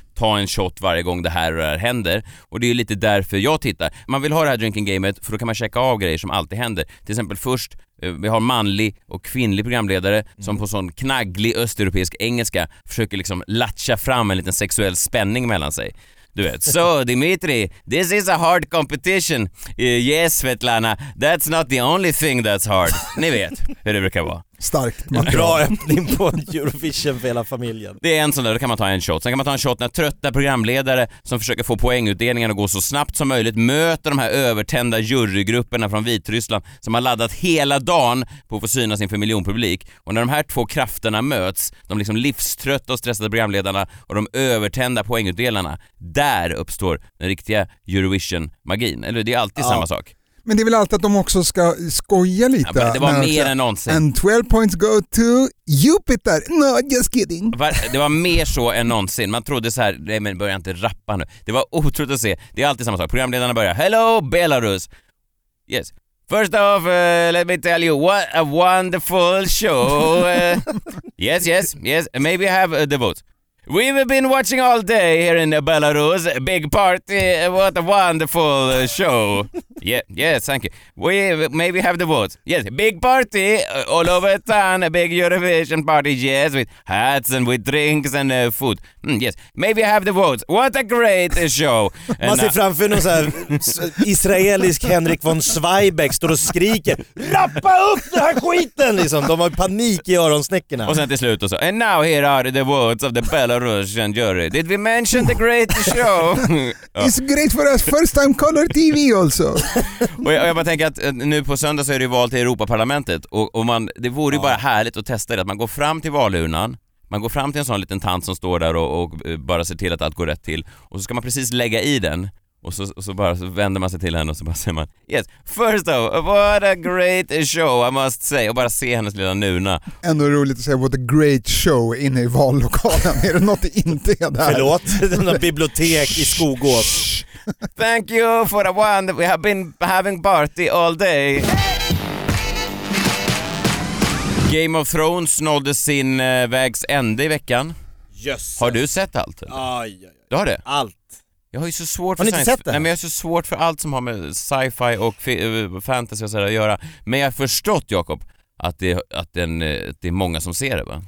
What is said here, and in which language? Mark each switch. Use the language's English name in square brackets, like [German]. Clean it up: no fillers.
[Swedish] Ta en shot varje gång det här händer. Och det är ju lite därför jag tittar. Man vill ha det här drinking gamet för då kan man checka av grejer som alltid händer. Till exempel först, vi har manlig och kvinnlig programledare som på sån knagglig östeuropeisk engelska försöker liksom latcha fram en liten sexuell spänning mellan sig. Du vet, [English] so Dimitri, this is a hard competition. Yes, Svetlana, that's not the only thing that's hard. [Swedish] Ni vet hur det brukar vara. Starkt. Bra öppning på Eurovision för hela familjen. Det är en sån där, då kan man ta en shot. Sen kan man ta en shot när trötta programledare som försöker få poängutdelningen att gå så snabbt som möjligt möter de här övertända jurygrupperna från Vitryssland som har laddat hela dagen på att få synas inför miljonpublik. Och när de här två krafterna möts, de liksom livströtta och stressade programledarna och de övertända poängutdelarna, där uppstår den riktiga Eurovision-magin. Eller det är alltid samma sak. Men det är väl alltid att de också ska skoja lite. Ja, det var mer än någonsin. [English] And 12 points go to Jupiter. No, just kidding. [Swedish] Det var mer så än någonsin. Man trodde så här, nej men börja inte rappa nu. Det var otroligt att se. Det är alltid samma sak. Programledarna börjar, [English] hello Belarus. Yes. First off, let me tell you, what a wonderful show. Yes, yes, yes. Maybe have the vote. We've been watching all day here in Belarus. Big party. What a wonderful show. Yeah, yes, thank you. We maybe have the votes. Yes, big party all over town. A big Eurovision party. Yes, with hats and with drinks and food. Mm, yes, maybe have the votes. What a great show. [Swedish] Man ser framför någon så här israelisk Henrik von Zweigbergk står och skriker, rappa upp den här skiten! Liksom. De har panik i öronsnäckorna. Och sen till slut och så, [English] and now here are the votes of the Belarusian jury. Did we mention the great show? It's great for us. First time color TV also. [Swedish] Och jag bara tänker att nu på söndag så är det val till Europaparlamentet. Och man, det vore ju bara härligt att testa det. Att man går fram till valurnan. Man går fram till en sån liten tant som står där och bara ser till att allt går rätt till. Och så ska man precis lägga i den. Och så vänder man sig till henne och så bara säger man, [English] yes, first of all, what a great show, I must say. [Swedish] Och bara se hennes lilla nuna. Ändå roligt att säga [English] what a great show [Swedish] inne i vallokalen. Är det något inte där? Förlåt, den där bibliotek i Skogås. [English] Thank you for a wonderful, we have been having party all day. [Swedish] Game of Thrones nådde sin vägs ände i veckan. Jösses. Har du sett allt? Aj, du har det? Allt. Jag har ju så svårt för [English] science. [Swedish] Nej, men jag har så svårt för allt som har med sci-fi och fantasy och så där att göra. Men jag har förstått, Jakob, att det är många som ser det, va?